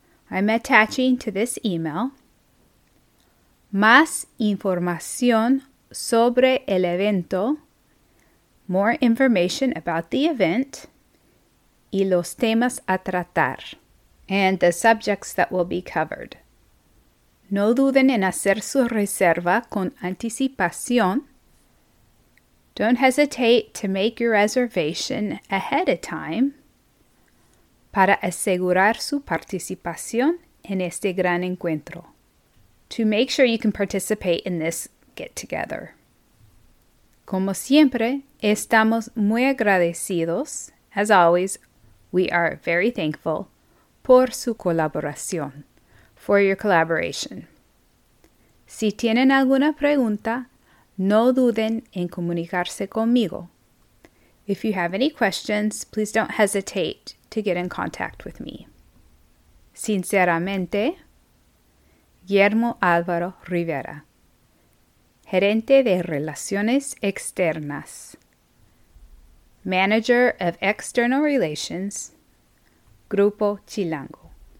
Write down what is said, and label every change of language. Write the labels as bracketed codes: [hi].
[en] I'm attaching to this email. [es] Más información sobre el evento. [en] More information about the event. [es] Y los temas a tratar. [en] And the subjects that will be covered. [es] No duden en hacer su reserva con anticipación. [en] Don't hesitate to make your reservation ahead of time. [es] Para asegurar su participación en este gran encuentro. [en] To make sure you can participate in this get-together. [es] Como siempre, estamos muy agradecidos. [en] As always, we are very thankful [es] por su colaboración. [en] For your collaboration. [es] Si tienen alguna pregunta, no duden en comunicarse conmigo. [en] If you have any questions, please don't hesitate to get in contact with me. [es] Sinceramente, Guillermo Álvaro Rivera, Gerente de Relaciones Externas, [en] Manager of External Relations, [es] Grupo Chilango.